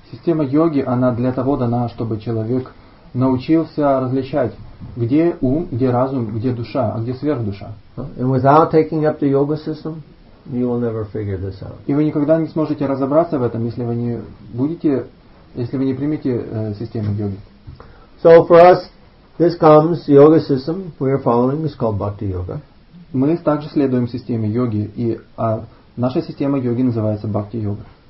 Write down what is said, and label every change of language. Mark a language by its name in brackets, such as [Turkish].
[Russian] Система йоги, она для того дана, чтобы человек научился различать, где ум, где разум, где душа, а где сверхдуша. [English] And without taking up the yoga system, you will never figure this out. [Russian] И вы никогда не сможете разобраться в этом, если вы не будете, если вы не примете систему йоги. [English] So for us, this comes, the yoga system we are following is called Bhakti Yoga. [Russian] Мы также следуем системе йоги, и наша система йоги называется Bhakti Yoga.